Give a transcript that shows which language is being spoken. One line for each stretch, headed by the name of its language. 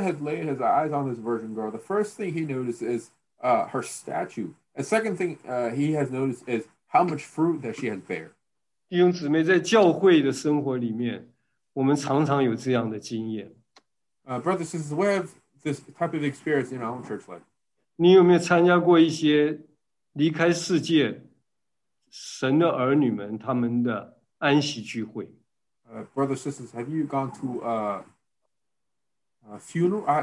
English: when our Lord has laid his eyes on this virgin girl, the first thing he noticed is her stature. The second thing he has noticed is how much fruit that she has bear.
Chinese: 弟兄姊妹，在教会的生活里面，我们常常有这样的经验。
English: Brothers and sisters, we have this type of experience in our own church life.
Chinese: 你有没有参加过一些离开世界神的儿女们他们的安息聚会？
English: Brothers and sisters, have you gone to a funeral?